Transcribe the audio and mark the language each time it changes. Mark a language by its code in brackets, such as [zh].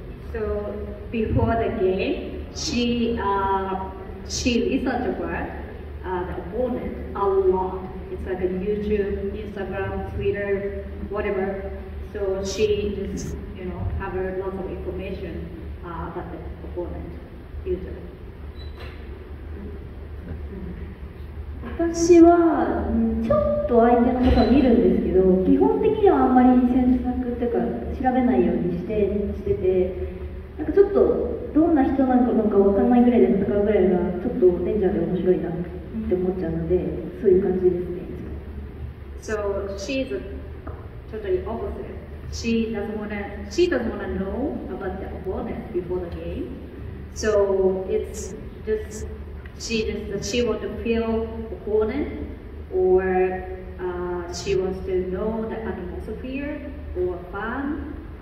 [en] So before the game, she researched about the opponent a lot. It's like a YouTube, Instagram, Twitter, whatever. So she just, you know, have a lot of information about the opponent, user. [ja] 私はちょっと相手のことは見るんですけど、基本的にはあんまり詮索っていうか調べないようにして、 なんかちょっとどんな人なのかわかんないぐらいで戦うぐらいがちょっとデンジャーで面白いなって。って思ったのでそういう感じですね。 [en] So she's totally opposite. She doesn't want to know about the opponent before the game. So it's just she wants to feel opponent or she wants to know the atmosphere or fun.